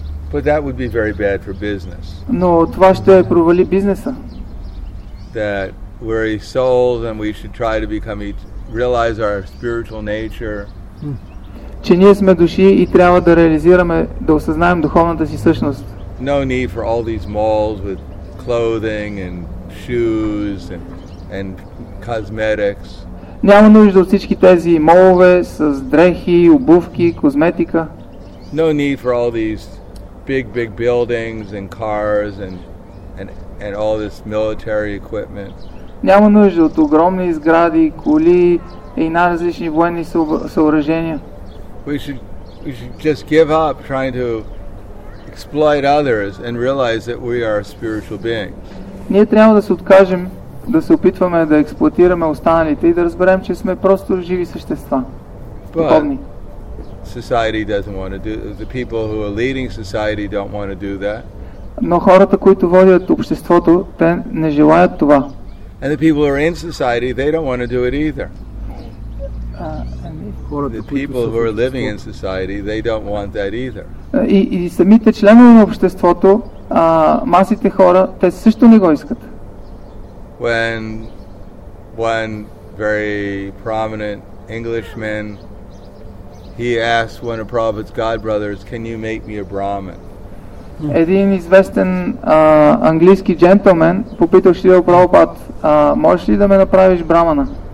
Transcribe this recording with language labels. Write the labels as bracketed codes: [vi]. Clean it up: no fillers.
[en] But that would be very bad for business. [bg] Но това ще провали бизнеса. [en] That we're souls and we should try to become realize our spiritual nature. [bg] Че ние сме души и трябва да реализираме, да осъзнаем духовната си същност. [en] No need for all these malls with clothing and shoes and cosmetics. [bg] Няма нужда от всички тези молове с дрехи, обувки, козметика. [en] No need for all these big buildings and cars and all this military equipment. [bg] Няма нужда от огромни сгради, коли и най-различни военни съоръжения. [en] We should just give up trying to exploit others and realize that we are spiritual beings. [bg] Ние трябва да се откажем да се опитваме да експлоатираме останалите и да разберем, че сме просто живи същества. [en] Society doesn't want to do that. The people who are leading society don't want to do that. [bg] Но хората, които водят обществото, те не желаят това. [en] And the people who are in society, they don't want to do it either. The people who are living in society, they don't want that either. [bg] И самите членове на обществото, масите хора, те също не го искат. [en] When one very prominent Englishman, he asked one of Prabhupada's godbrothers, "Can you make me a Brahmin?" [bg] Един известен английски джентълмен попитал Шри Прабхупад, "Можеш ли да ме направиш брамана?"